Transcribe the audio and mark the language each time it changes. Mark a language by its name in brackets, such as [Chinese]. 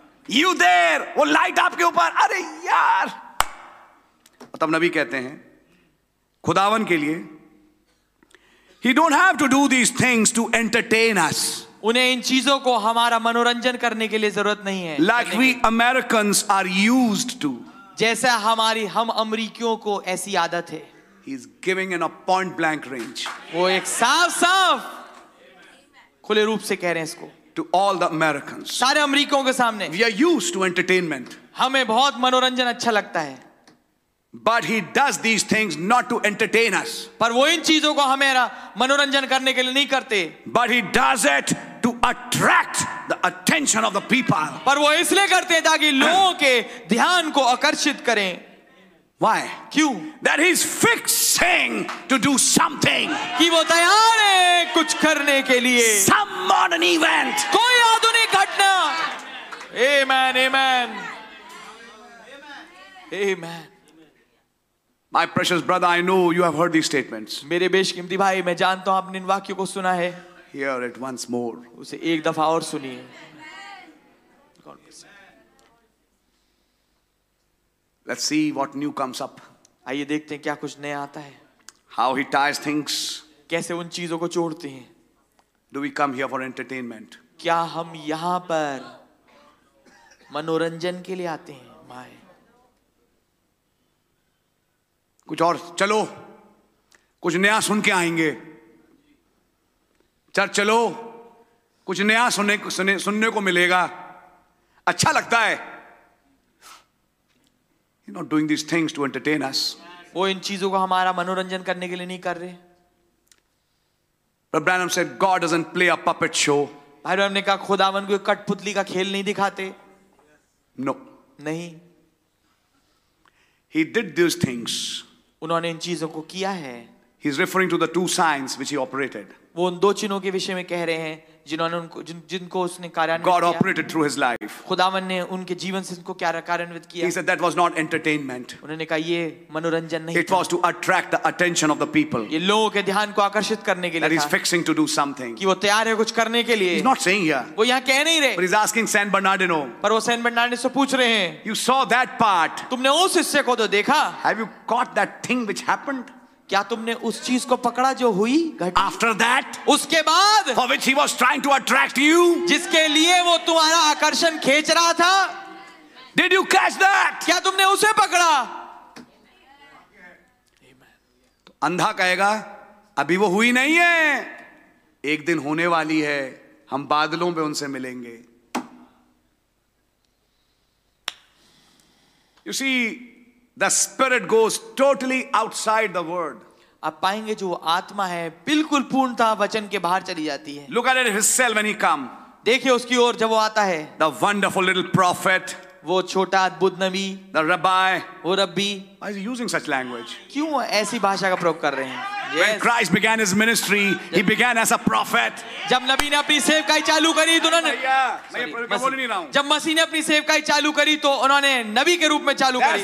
[English] you there, [Hindi] वो light आपके ऊपर. अरे यार, तब नबी कहते हैं खुदावन के लिए, [English] He don't have to do these things to entertain us. [Hindi] उन्हें इन चीजों को हमारा मनोरंजन करने के लिए जरूरत नहीं है [English] like we Americans are used to [Hindi] जैसे हमारी हम अमरीकियों को ऐसी आदत है [English] He is giving in a point blank range [Hindi] वो एक साफ साफ खुले रूप से कह रहे हैं इसको [English] to all the Americans [Hindi] सारे अमरीकियों के सामने [English] we are used to entertainment [Hindi] हमें बहुत मनोरंजन अच्छा लगता है [English] But he does these things not to entertain us. [Hindi] पर वो इन चीजों को हमेरा मनोरंजन करने के लिए नहीं करते. [English] But he does it to attract the attention of the people. [Hindi] पर वो इसलिए करते हैं ताकि लोगों के ध्यान को आकर्षित करें. [English] Why? [Hindi] क्यों? [English] That he's fixing to do something. [Hindi] कि वो तैयार है कुछ करने के लिए. [English] Some modern event. [Hindi] कोई आधुनिक घटना. Amen. Amen. [English] Amen. My precious brother, I know you have heard these statements. [Hindi] मेरे बेशकीमती भाई, मैं जानता हूँ आपने इन वाक्यों को सुना है. [English] Hear it once more. [Hindi] उसे एक दफा और सुनिए. [English] Let's see what new comes up. [Hindi] आइए देखते हैं क्या कुछ नया आता है. [English] How he ties things. [Hindi] कैसे उन चीजों को जोड़ते हैं. [English] Do we come here for entertainment? [Hindi] क्या हम यहाँ पर मनोरंजन के लिए आते हैं, माय? कुछ और चलो कुछ नया सुन के आएंगे चल चलो कुछ नया सुनने को मिलेगा अच्छा लगता है [English] you not doing these things to entertain us [Hindi] वो इन चीजों को हमारा मनोरंजन करने के लिए नहीं कर रहे [English] brother Branham said God doesn't play a puppet show [Hindi] भाई ब्रैनम ने कहा खुदावन को कठपुतली का खेल नहीं दिखाते [English] no [Hindi] नहीं [English] ही did these things [Hindi] उन्होंने इन चीजों को किया है [English] He is referring to the two signs which he operated. [Hindi] वो उन दो चिन्हों के विषय में कह रहे हैं जिन्होंने उनको जिनको उसने कार्यान्वित किया [English] God operated through his life. [Hindi] खुदावन ने उनके जीवन से इनको क्या कार्यान्वित किया [English] He said that was not entertainment. [Hindi] उन्होंने कहा ये मनोरंजन नहीं [English] It was to attract the attention of the people. [Hindi] ये लोगों के ध्यान को आकर्षित करने के लिए था. [English] He is fixing to do something. [Hindi] कि वो तैयार है कुछ करने के लिए [English] He's not saying here. [Hindi] वो यहां कह नहीं रहे [English] But he's asking San Bernardino. [Hindi] पर वो San Bernardino से पूछ रहे हैं [English] You saw that part. [Hindi] तुमने उस हिस्से को तो देखा [English] Have you caught that thing which happened? [Hindi] क्या तुमने उस चीज को पकड़ा जो हुई [English] After that, [Hindi] उसके बाद [English] for which he was trying to attract you, [Hindi] जिसके लिए वो तुम्हारा आकर्षण खींच रहा था [English] Did you catch that? [Hindi] क्या तुमने उसे पकड़ा [English] Amen. [Hindi] तो अंधा कहेगा अभी वो हुई नहीं है एक दिन होने वाली है हम बादलों पे उनसे मिलेंगे [English] You see, The spirit goes totally outside the word. [Hindi] आप पाएंगे जो आत्मा है बिल्कुल पूर्णतः वचन के बाहर चली जाती है. [English] Look at it himself when he come. [Hindi] देखिए उसकी ओर जब वो आता है. [English] The wonderful little prophet. [Hindi] वो छोटा अद्भुत नबी. [English] The rabbi. [Hindi] वो रब्बी. [English] Why is he using such language? [Hindi] क्यों वो ऐसी भाषा का प्रयोग कर रहे हैं? [English] When Christ began his ministry, he began as a prophet. [Hindi] जब नबी ने अपनी सेवकाई चालू करी तो उन्होंने जब मसीह ने अपनी सेवकाई चालू करी तो उन्होंने नबी के रूप में चालू करी.